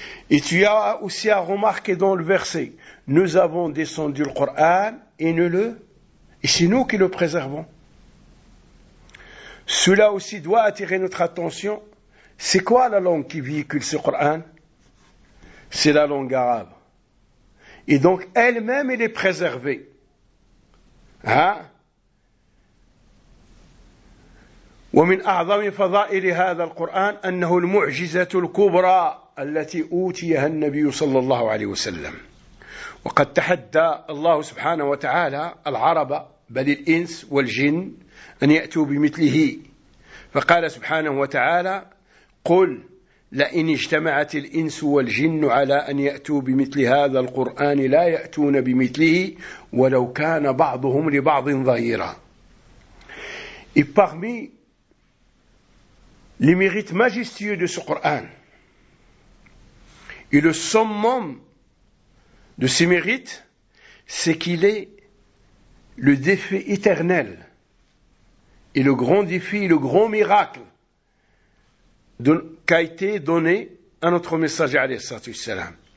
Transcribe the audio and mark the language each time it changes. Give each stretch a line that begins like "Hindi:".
French: Et tu as aussi à remarquer dans le verset, nous avons descendu le Coran, et c'est nous qui le préservons. Cela aussi doit attirer notre attention. C'est quoi la langue qui véhicule ce Coran? C'est la langue arabe. Et donc, elle-même, elle est préservée. Hein?
Arabic: ومن أعظم فضائل هذا القرآن أنه المعجزة الكبرى التي أوتيها النبي صلى الله عليه وسلم. وقد تحدى الله سبحانه وتعالى العرب بل الإنس والجن أن يأتوا بمثله، فقال سبحانه وتعالى: قل لئن اجتمعت الإنس والجن على أن يأتوا بمثل هذا القرآن لا يأتون بمثله ولو كان بعضهم لبعض ظهيرا.
French: Les mérites majestueux de ce Coran et le summum de ses mérites, c'est qu'il est le défi éternel et le grand défi, le grand miracle qui a été donné à notre messager, alayhi salatu wassalam.